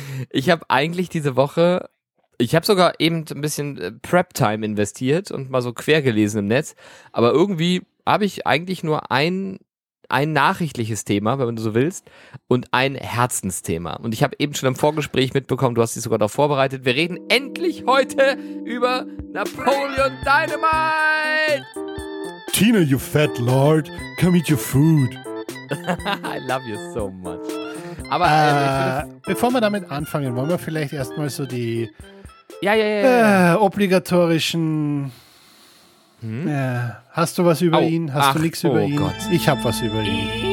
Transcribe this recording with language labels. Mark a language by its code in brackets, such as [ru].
[de] Ich habe eigentlich diese Woche, ich habe sogar eben ein bisschen Prep-Time investiert und mal so quer gelesen im Netz, aber irgendwie habe ich eigentlich nur ein nachrichtliches Thema, wenn du so willst, und ein Herzensthema. Und ich habe eben schon im Vorgespräch mitbekommen, du hast dich sogar darauf vorbereitet, wir reden endlich heute über Napoleon Dynamite! [en] Tina, you fat lord, come eat your food. I love you so much. [de] Aber bevor wir damit anfangen, wollen wir vielleicht erstmal so die obligatorischen. Hast du was über ihn? Hast du nichts über ihn? Gott. Ich habe was über ihn.